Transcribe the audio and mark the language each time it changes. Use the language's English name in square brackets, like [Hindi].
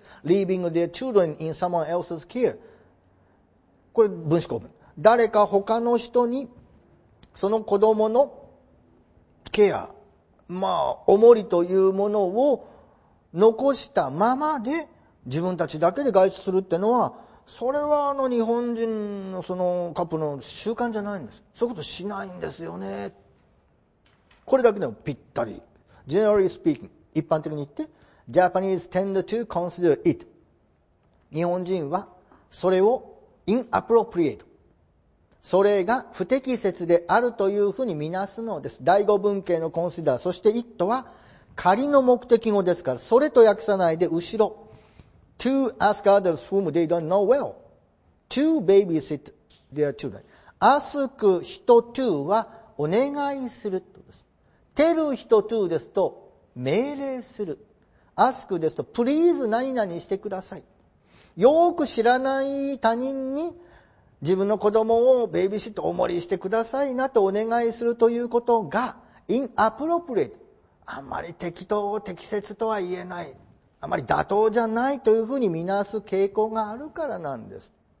[English] Leaving their children in someone else's care。 [Japanese] これ分子構文、誰か他の人にその子供のケア、まあおもりというものを残したままで自分たちだけで外出するってのは、それはあの日本人のそのカップの習慣じゃないんです。そういうことしないんですよね。これだけでもぴったり。 [English] Generally speaking、 [Japanese] 一般的に言って、 [English] Japanese tend to consider it。 [Japanese] 日本人はそれを inappropriate、 それが不適切であるというふうに見なすのです。第五文型の consider、 そして it は仮の目的語ですから、それと訳さないで後ろ。 [English] To ask others whom they don't know well to babysit their children。 [Japanese] Ask 人 to はお願いするとです。 Tell 人 to ですと命令する。Ask ですと please 何々してください。よく知らない他人に自分の子供をベイビーシットお守りしてくださいなとお願いするということが inappropriate、 あんまり適当適切とは言えない、あまり妥当じゃないというふうに見なす傾向があるからなんです。